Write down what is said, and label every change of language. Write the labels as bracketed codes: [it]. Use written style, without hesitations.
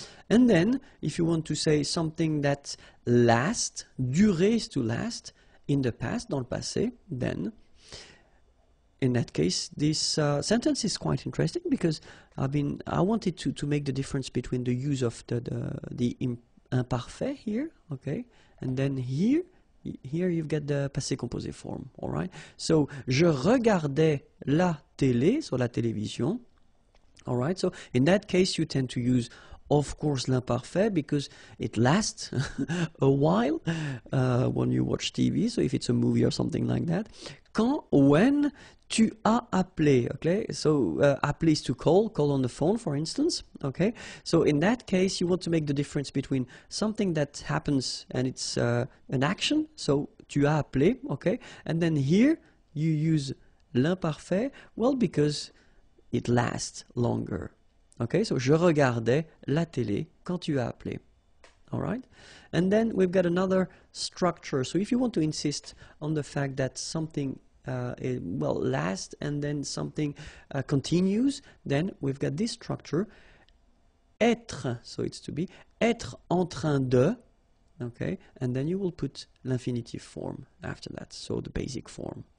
[en] And then, if you want to say something that lasts, durée is to last, in the past, [fr] dans le passé, [en] then, in that case, this sentence is quite interesting because I wanted to make the difference between the use of the imparfait here, okay, and then here you've got the passé composé form, all right? [fr] So, je regardais la télé, so la télévision, [en] all right? So, in that case, you tend to use, of course, l'imparfait because it lasts a while when you watch TV, so if it's a movie or something like that. Quand, when, [fr] tu as appelé, [en] okay? So, appelé is to call on the phone, for instance, okay? So, in that case, you want to make the difference between something that happens and it's an action, so [fr] tu as appelé, [en] okay? And then here, you use l'imparfait, well, because it lasts longer, okay? [fr] So, je regardais la télé quand tu as appelé. [en] All right, and then we've got another structure. So if you want to insist on the fact that something lasts and then something continues, then we've got this structure. Être, so it's to be, [fr] être en train de, [en] okay, and then you will put l'infinitive form after that, so the basic form.